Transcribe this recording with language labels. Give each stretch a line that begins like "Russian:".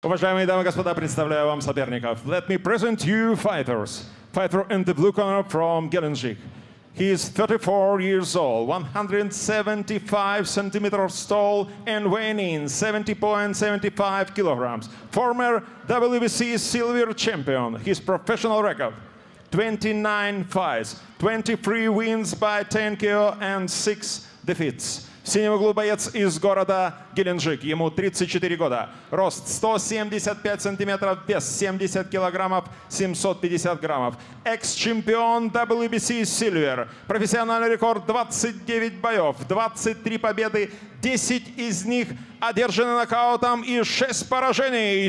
Russian: Уважаемые дамы и господа, представляю вам соперников.
English: Let me present you fighters. Fighter in the blue corner from Геленджик. He is 34 years old, 175 centimeters tall, and weighing in 70.75 kilograms. Former WBC silver champion. His professional record: 29 fights, 23 wins by 10 KO and 6 defeats.
Russian: Синий углу боец из города Геленджик. Ему 34 года. Рост 175 сантиметров, вес 70 килограммов, 750 граммов. Экс-чемпион WBC Silver. Профессиональный рекорд 29 боев, 23 победы, 10 из них одержаны нокаутом и 6 поражений.